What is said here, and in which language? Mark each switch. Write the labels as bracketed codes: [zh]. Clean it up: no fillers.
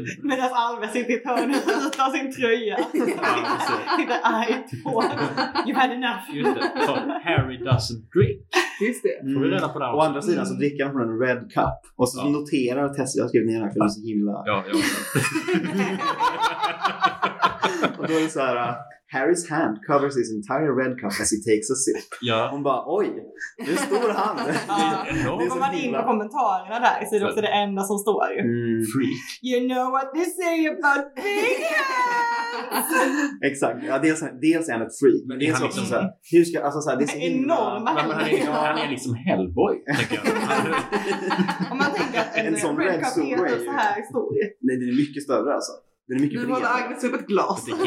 [sv] Medan Alves sitter i ett hörn och sin tröja. Ja, precis. Det är ett hår. [en] You had enough. [sv] Just det. Så Harry [en] doesn't drink. [sv] Just det. Får vi reda på det här? Å andra sidan så dricker han från en red cup. Och så noterar Tess. Jag har skrivit ner den här för det är så himla... Ja, jag också. Och då är så här... [en] Harry's hand covers his entire red cup as he takes a sip. [sv] Ja. Hon bara, oj, det är en stor hand. Ja. Det kommer man in på kommentarerna där, så är det också det enda som står ju. [en] Freak. You know what they say about big hands. [sv] Exakt, ja, dels är han ett freak. Men det är också liksom, såhär, hur ska, alltså såhär, det är så en enorm hand. Men han är liksom hellboy, tänker jag. Om man tänker att en sån red cup är så här stor. Nej, det är mycket större alltså. Det är mycket bredare. Du håller Agnes upp ett glas.